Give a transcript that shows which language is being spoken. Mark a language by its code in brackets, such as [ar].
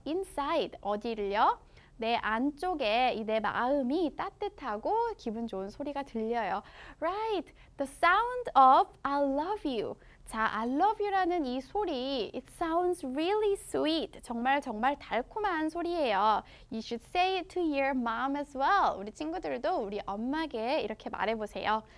[en] Inside, [ko] 어디를요? 내 안쪽에 이 내 마음이 따뜻하고 기분 좋은 소리가 들려요. [en] Right, the sound of I love you. [ko] 자, I love you라는 이 소리, [en] it sounds really sweet. [ko] 정말 정말 달콤한 소리예요. [en] You should say it to your mom as well. [ko] 우리 친구들도 우리 엄마에게 이렇게 말해보세요.